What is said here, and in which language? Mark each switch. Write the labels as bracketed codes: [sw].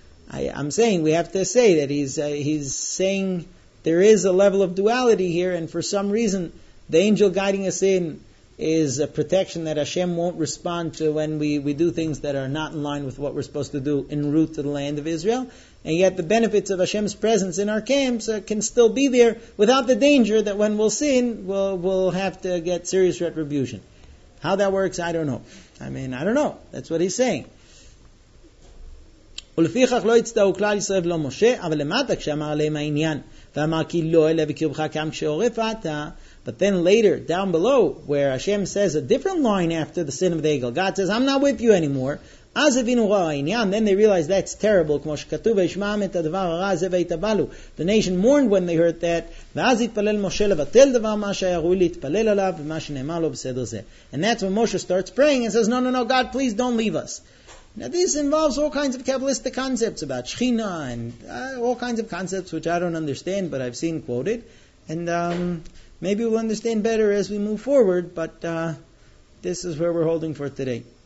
[en] I'm saying we have to say that he's saying there is a level of duality here, and for some reason, the angel guiding us in is a protection that Hashem won't respond to when we do things that are not in line with what we're supposed to do en route to the land of Israel. And yet the benefits of Hashem's presence in our camps can still be there without the danger that when we'll sin, we'll have to get serious retribution. How that works, I don't know. I mean, I don't know. That's what he's saying. [he] ולפיכך לא הצטעו כלל ישראל ולא משה, אבל למטה כשאמר עליהם העניין, ואמר כי לא אלה וקרבך כאן כשעורף אתה. [en] But then later, down below, where Hashem says a different line after the sin of the eagle, God says, I'm not with you anymore. [he] אז הבינו רוע העניין, [en] then they realize that's terrible, [he] כמו שכתוב, וישמעם את הדבר הרע הזה והתאבלו. [en] The nation mourned when they heard that, [he] ואז התפלל משה לבטל דבר מה שהיה ראוי להתפלל עליו, ומה שנאמר לו בסדר זה. [en] And that's when Moshe starts praying and says, no, no, no, God, please don't leave us. Now this involves all kinds of Kabbalistic concepts about Shekhinah and all kinds of concepts which I don't understand, but I've seen quoted. And maybe we'll understand better as we move forward, but this is where we're holding for today.